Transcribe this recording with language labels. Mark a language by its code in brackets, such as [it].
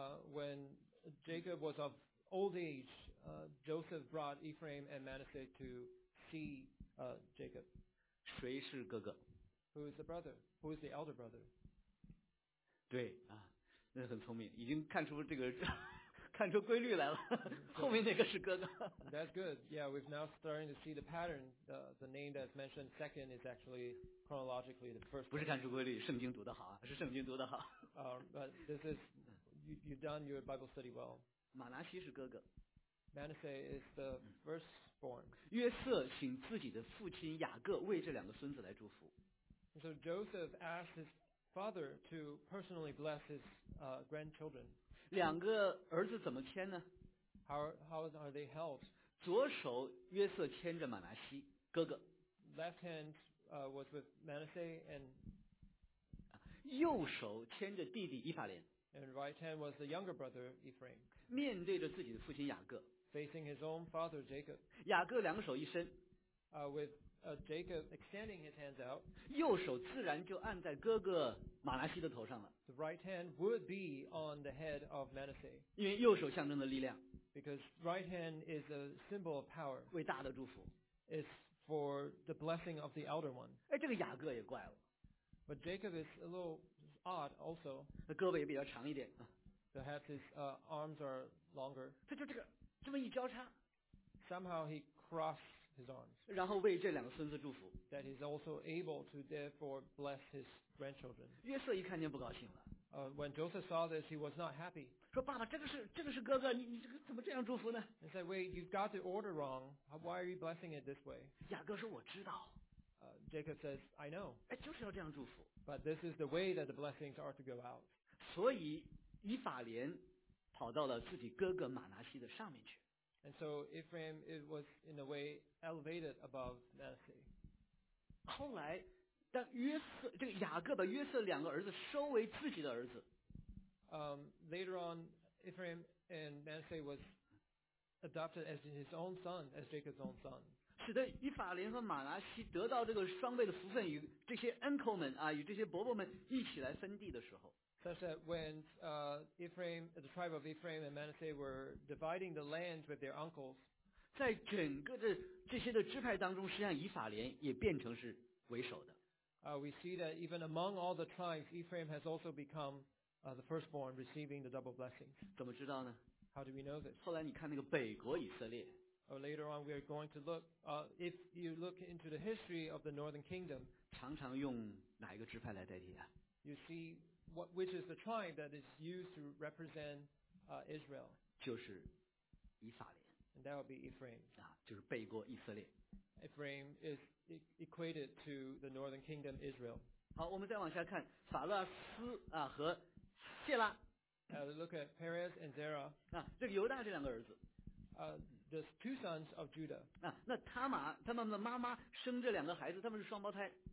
[en] When Jacob was of old age, Joseph brought Ephraim and Manasseh to see Jacob. [zh] 谁是哥哥？ [en] Who is the brother? Who is the elder brother? [zh] 对啊，那很聪明，已经看出这个看出规律来了。后面那个是哥哥。 [en] That's good. Yeah, we're now starting to see the pattern. The name that's mentioned second is actually chronologically the first. [zh] 不是看出规律，圣经读得好啊，是圣经读得好。 [en] But this is you've done your Bible study well. [zh] 马拿西是哥哥。 [en] Manasseh is the firstborn. [zh] 约瑟请自己的父亲雅各为这两个孙子来祝福。 [en] So Joseph asked his father to personally bless his grandchildren. [zh] 两个儿子怎么牵呢？ [en] How are they held? [zh] 左手约瑟牵着马拿西哥哥。 [en] Left hand was with Manasseh and [zh] 右手牵着弟弟以法莲。 [en] And right hand was the younger brother Ephraim. [zh] 面对着自己的父亲雅各。 [en] Facing his own father Jacob. [zh] 雅各两手一伸。 [en] Jacob extending his hands out. [zh] 右手自然就按在哥哥马拿西的头上了。 [en] The right hand would be on the head of Manasseh. [zh] 因为右手象征的力量。 [en] Because right hand is a symbol of power. [zh] 为大的祝福。 [en] It's for the blessing of the elder one. [zh] 哎，这个雅各也怪了。 [en] But Jacob is a little odd also. [zh] 那胳膊也比较长一点。 [en] Perhaps his arms are longer. [zh] 他就这个这么一交叉。 [en] Somehow he crossed. His arms, [zh] 然后为这两个孙子祝福。 [en] That he's also able to therefore bless his grandchildren. [zh] 约瑟一看见不高兴了。 [en] When Joseph saw this, he was not happy. [zh] 说爸爸，这个是哥哥，你这个怎么这样祝福呢？ [en] He said, Wait, you've got the order wrong. Why are you blessing it this way? [zh] 雅各说我知道。 [en] Jacob says, I know. [zh] 哎，就是要这样祝福。 [en] But this is the way that the blessings are to go out. [zh] 所以以法莲跑到了自己哥哥马拿西的上面去。 [en] And so Ephraim it was in a way elevated above Manasseh. [zh] 后来，当约瑟这个雅各把约瑟两个儿子收为自己的儿子。 [en] Later on, Ephraim and Manasseh was adopted as his own son, as Jacob's own son. [zh] 使得以法莲和马拿西得到这个双倍的福分，与这些 uncle 们啊，与这些伯伯们一起来分地的时候。 [en] Such that when the tribe of Ephraim and Manasseh were dividing the land with their uncles, [zh] 在整个这些的支派当中，实际上以法莲也变成是为首的。 [en] We see that even among all the tribes, Ephraim has also become the firstborn, receiving the double blessings. [zh] 怎么知道呢？ [en] How do we know this? [zh] 后来你看那个北国以色列。 [en] Later on, we are going to look. If you look into the history of the northern kingdom, [zh] 常常用哪一个支派来代替啊？ [en] You see. Which is the tribe that is used to represent Israel? [zh] 就是以法莲。 [en] And that would be Ephraim. [zh] 啊，就是北国以色列。 [en] Ephraim is equated to the northern kingdom Israel. [zh] 好，我们再往下看法勒斯啊和谢拉。 [en] Look at Perez and Zerah. [zh] 啊，这个犹大这两个儿子。 [en] The two sons of Judah. [zh] 啊，那他们的妈妈生这两个孩子，他们是双胞胎。